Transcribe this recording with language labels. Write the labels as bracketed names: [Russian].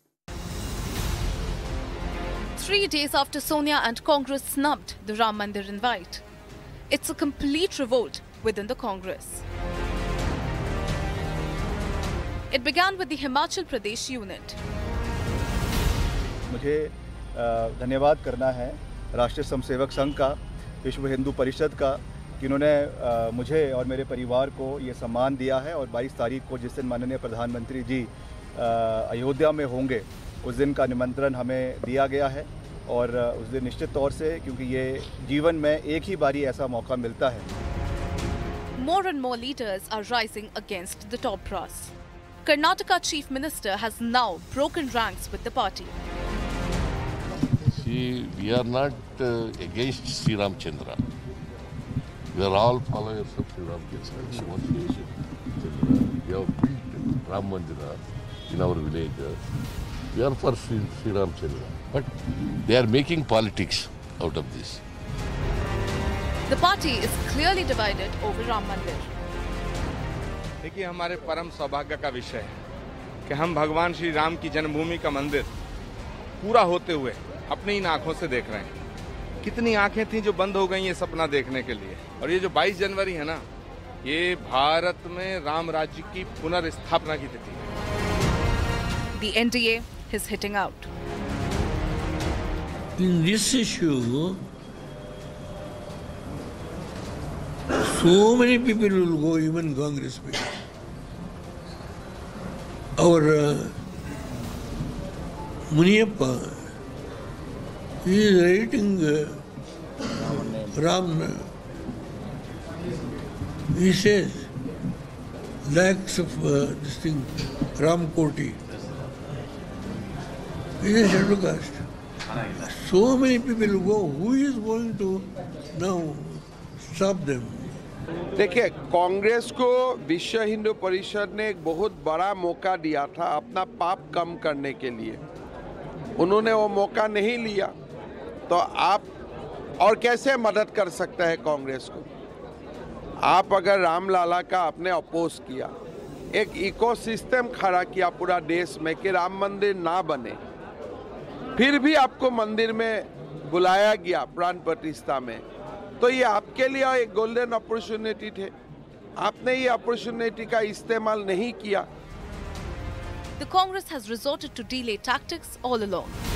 [English] 3 days after Sonia and Congress snubbed the Ram Mandir invite, it's a complete revolt within the Congress. It began with the Himachal Pradesh unit. [Hindi] मुझे धन्यवाद करना है राष्ट्रीय स्वयंसेवक संघ का, विश्व हिंदू परिषद का, कि उन्होंने मुझे और मेरे परिवार को ये सम्मान दिया है। और 22 तारीख को जिस दिन माननीय प्रधानमंत्री जी अयोध्या में होंगे उस दिन का निमंत्रण हमें दिया गया है। और उस दिन निश्चित तौर से, क्योंकि ये जीवन में एक ही बारी ऐसा मौका मिलता है। [English] More and more leaders are rising against the top brass. Karnataka Chief Minister has now broken ranks with the party. See, we are not against Sri Ramchandra. We are all followers of Sri Ramchandra. We have built Ram Mandira in our village. We are for Sri Ramchandra. But they are making politics out of this. The party is clearly divided over Ram Mandir. [Hindi] देखिए हमारे परम सौभाग्य का विषय है कि हम भगवान श्री राम की जन्मभूमि का मंदिर पूरा होते हुए अपनी इन आंखों से देख रहे हैं। कितनी आंखें थीं जो बंद हो गई ये सपना देखने के लिए। और ये जो 22 जनवरी है ना, ये भारत में राम राज्य की पुनर्स्थापना की तिथि है। [English] The NDA is hitting out. In this issue, so many people will go, even Congress people. ਔਰ Muniyappa he is writing Ram he says lacks of this thing Ram Koti is a shadow cast so many people go who is going to now stop them. [Hindi] देखिए कांग्रेस को विश्व हिंदू परिषद ने एक बहुत बड़ा मौका दिया था अपना पाप कम करने के लिए, उन्होंने वो मौका नहीं लिया तो आप और कैसे मदद कर सकते हैं कांग्रेस को। आप अगर रामलाला का आपने अपोज किया, एक इकोसिस्टम खड़ा किया पूरा देश में कि राम मंदिर ना बने, फिर भी आपको मंदिर में बुलाया गया प्राण प्रतिष्ठा में, तो ये आपके लिए एक गोल्डन अपॉर्चुनिटी थे, आपने ये अपॉर्चुनिटी का इस्तेमाल नहीं किया। [English] The Congress has resorted to delay tactics all along.